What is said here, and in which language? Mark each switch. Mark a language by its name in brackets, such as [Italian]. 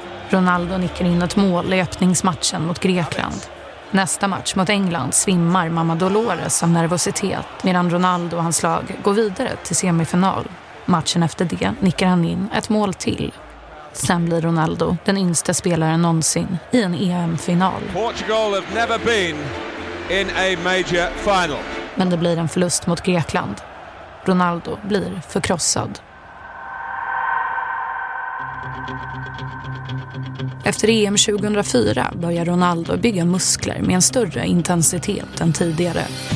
[Swedish] Ronaldo nickar in ett mål i öppningsmatchen mot Grekland. Nästa match mot England svimmar mamma Dolores av nervositet, medan Ronaldo och hans lag går vidare till semifinal. Matchen efter det nickar han in ett mål till. Sen blir Ronaldo den yngsta spelaren någonsin i en EM-final. [English] Portugal have never been in a major final. [Swedish] Men det blir en förlust mot Grekland. Ronaldo blir förkrossad. Efter EM 2004 börjar Ronaldo bygga muskler med en större intensitet än tidigare.